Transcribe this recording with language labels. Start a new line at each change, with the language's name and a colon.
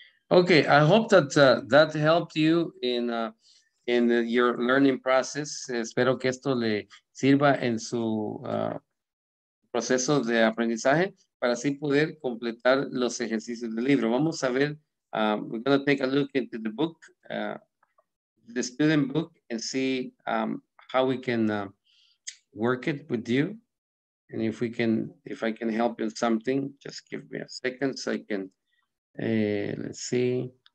English: Okay, I hope that that helped you in your learning process.
Spanish: Espero que esto le sirva en su proceso de aprendizaje para así poder completar los ejercicios del libro. Vamos a ver,
English: we're going to take a look into the book, the student book, and see how we can work it with you. And if we can, if I can help you with something, just give me a second so I can, let's see.